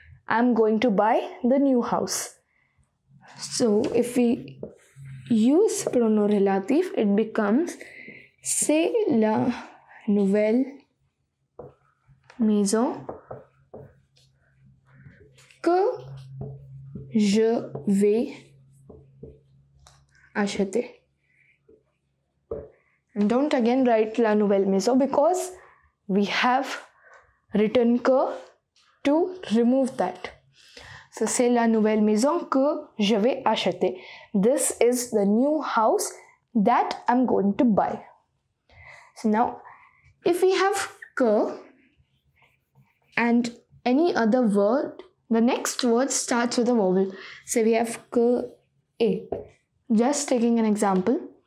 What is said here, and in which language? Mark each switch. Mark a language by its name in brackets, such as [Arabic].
[English] I'm going to buy the new house. So, if we use pronom relatif, it becomes [French] c'est la nouvelle maison que je vais acheter. [English] And don't again write [French] la nouvelle maison [English] because we have written que to remove that. [French] So c'est la nouvelle maison que je vais acheter. [English] This is the new house that I'm going to buy. So now if we have que and any other word, the next word starts with a vowel. So we have que a. Just taking an example.